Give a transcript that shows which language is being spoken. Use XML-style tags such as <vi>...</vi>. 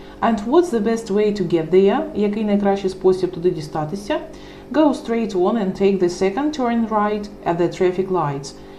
<en>And what's the best way to get there?</en> <uk>Який найкращий спосіб туди дістатися?</uk> <en>Go straight on and take the second turn right at the traffic lights.</en>